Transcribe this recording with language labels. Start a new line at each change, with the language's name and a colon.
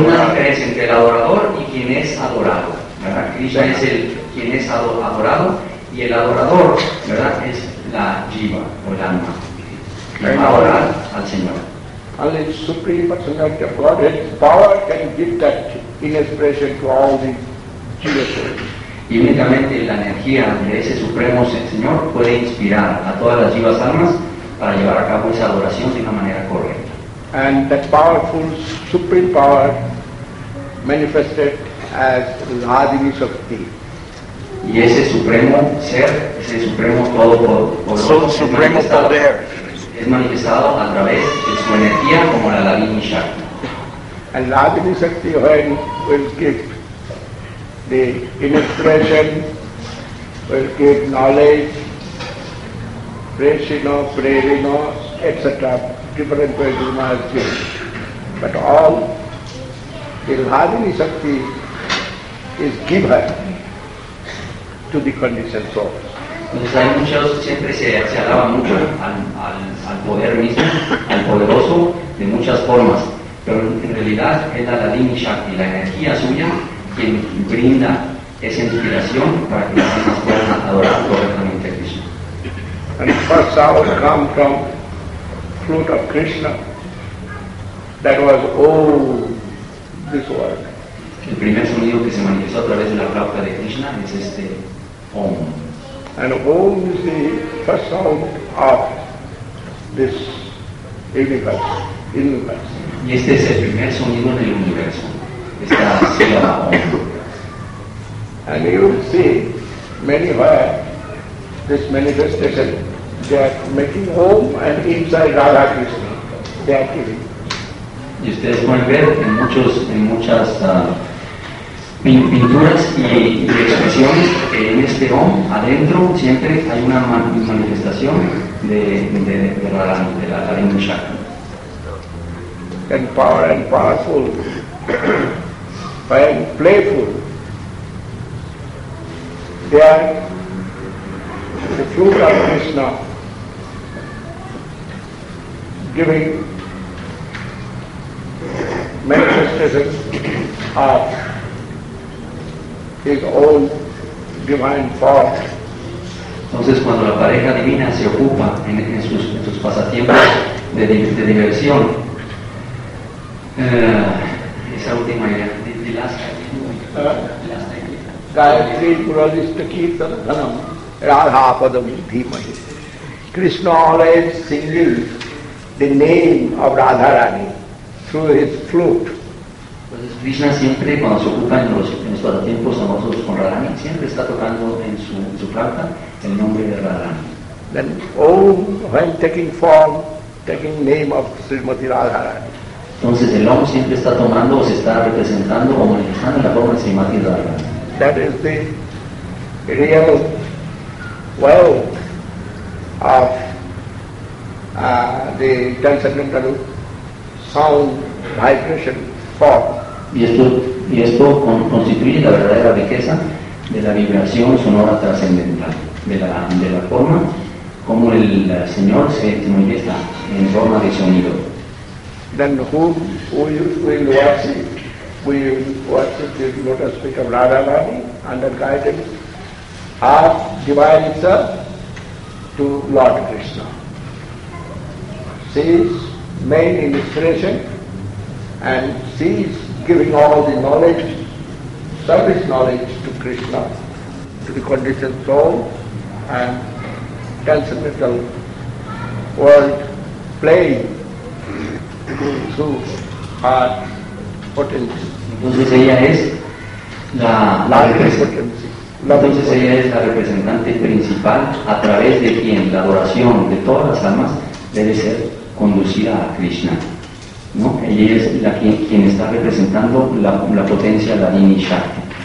Spanish: Hay una diferencia entre el adorador y quien es adorado, ¿verdad? Krishna es el quien es adorado y el adorador, ¿verdad? Es la jiva o el alma. Quien va a adorar al Señor.
English: Only Supreme Personality of Godhead's power can give that inspiration to all the jivas.
Spanish: Y únicamente la energía de ese Supremo Señor puede inspirar a todas las jivas almas para llevar a cabo esa adoración de una manera correcta.
English: And that powerful Supreme Power manifested as Adi Shakti.
Spanish: Y ese Supremo Ser, ese Supremo Todopoderoso, so, Supremo Poder, es manifestado a través de su energía como la Ladini Shakti.
English: And Ladini Shakti when will give the inspiration, will give knowledge, Prashino, Prerino, etc. Different ways of knowledge. But all the Ladini Shakti is given to the conditioned soul.
Spanish: Entonces hay muchos, siempre se alaba mucho al poder mismo, al poderoso, de muchas formas. Pero en realidad es la Ladini Shakti, la energía suya, quien brinda esa inspiración para que las personas puedan adorar correctamente a Krishna.
English: And first sound come from flute of Krishna. That was this word.
Spanish: El primer sonido que se manifestó a través de la flauta de Krishna es este Om.
English: And Om is the first sound of this universe.
Spanish: Y este es el primer sonido del universo. Esta sílaba Om.
English: And you will see many where this manifestation, they are making Om and inside Radha Krishna, they are giving.
Spanish: Y ustedes pueden ver en muchas pinturas y expresiones que en este Om adentro siempre hay una manifestación de la Ladini Shakti.
English: And power and powerful and playful, they are the fruit of Krishna giving manifestation of his own divine power.
Spanish: Entonces cuando la pareja divina se ocupa en sus pasatiempos de diversión, esa última idea,
English: the last
Sanskrit: idea. Gayatri Puralista Kirtanam Radha Padam Dhimahi.
English: Krishna always singing the name of Radharani through his flute.
Spanish: Krishna siempre, cuando se ocupa en los pasatiempos amorosos con Radharani, siempre está tocando en su flauta el nombre de Radharani.
English: Then Om, when taking form, taking name of Srimati Radharani.
Spanish: Entonces el Om siempre está tomando o se está representando o manifestando la forma de Srimati Radharani.
English: That is the real wealth of the transcendental sound vibration form.
Spanish: Y esto constituye la verdadera riqueza de la vibración sonora trascendental, de la forma como el Señor se manifiesta en forma de sonido.
English: Then who will worship? We worship the lotus feet of Radharani under guidance of divine itself to Lord Krishna. his main inspiration, and she is giving all the knowledge, service knowledge to Krishna, to the conditioned soul and transcendental world playing through her potency.
Spanish: Entonces ella es la entonces ella es la representante principal a través de quien la adoración de todas las almas debe ser conducida a Krishna, ¿no? Ella es la quien está representando la potencia, la Dini Shakti.